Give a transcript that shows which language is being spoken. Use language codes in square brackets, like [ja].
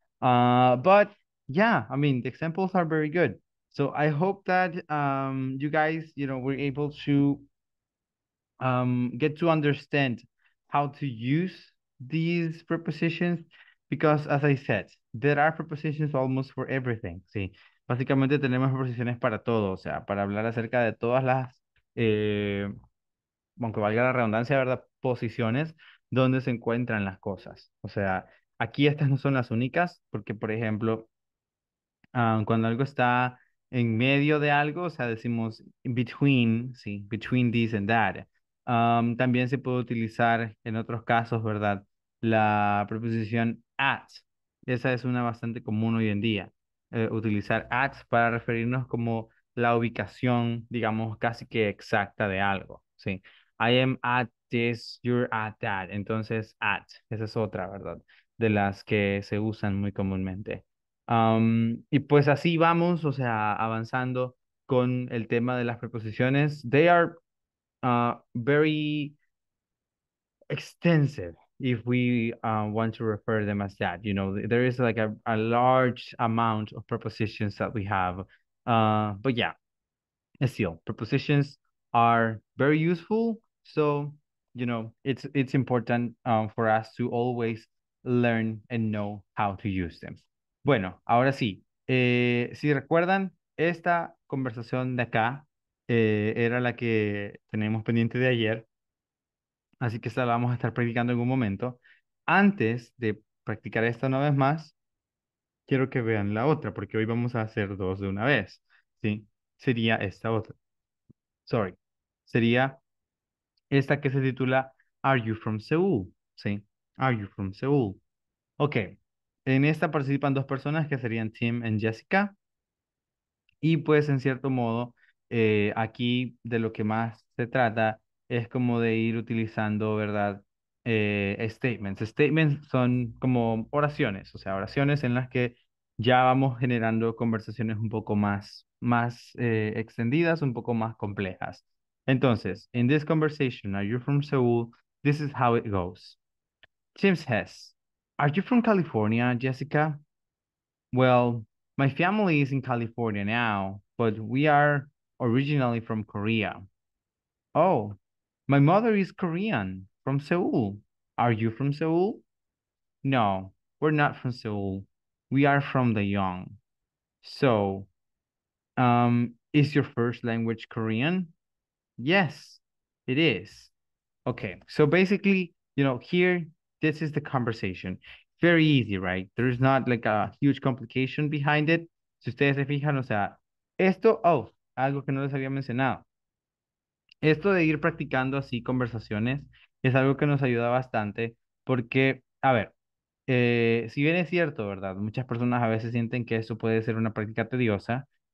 [en] But yeah, I mean, the examples are very good. So I hope that you guys, you know, were able to get to understand how to use these prepositions because, as I said, there are prepositions almost for everything. See? [es] Básicamente tenemos preposiciones para todo, o sea, para hablar acerca de todas las, aunque valga la redundancia, ¿verdad? Posiciones donde se encuentran las cosas. O sea, aquí estas no son las únicas, porque, por ejemplo, cuando algo está en medio de algo, o sea, decimos between, sí, [en] between this and that. [es] También se puede utilizar en otros casos, ¿verdad? La preposición at. Esa es una bastante común hoy en día. Utilizar at para referirnos como la ubicación, digamos, casi que exacta de algo, ¿sí? [en] I am at this, you're at that. [es] Entonces, at, esa es otra, ¿verdad? De las que se usan muy comúnmente. Y pues así vamos, o sea, avanzando con el tema de las preposiciones. [en] They are very extensive if we want to refer them as that. You know, there is like a large amount of prepositions that we have. But yeah, still, prepositions are very useful. So, you know, it's important for us to always learn and know how to use them. [es] Bueno, ahora sí, si recuerdan, esta conversación de acá era la que tenemos pendiente de ayer, así que esta la vamos a estar practicando en un momento. Antes de practicar esta una vez más, quiero que vean la otra, porque hoy vamos a hacer dos de una vez, ¿sí? Sería esta otra. Sorry. Sería esta que se titula [en] Are you from Seoul? [es] ¿Sí? [en] Are you from Seoul? Ok. [es] En esta participan dos personas que serían Tim y Jessica. Y pues, en cierto modo, aquí de lo que más se trata es como de ir utilizando, ¿verdad? Statements. Statements son como oraciones. O sea, oraciones en las que ya vamos generando conversaciones un poco más extendidas, un poco más complejas. Entonces, [en] in this conversation, are you from Seoul? This is how it goes. Tim says, are you from California, Jessica? Well, my family is in California now, but we are originally from Korea. Oh, my mother is Korean, from Seoul. Are you from Seoul? No, we're not from Seoul. We are from Daejeon. So, is your first language Korean? Yes, it is. Okay, so basically, you know, here, this is the conversation. Very easy, right? There is not like a huge complication behind it. [es] Si ustedes se fijan, o sea, esto, oh, algo que no les había mencionado. Esto de ir practicando así conversaciones es algo que nos ayuda bastante porque, a ver, si bien es cierto, ¿verdad? Muchas personas a veces sienten que eso puede ser una práctica tediosa.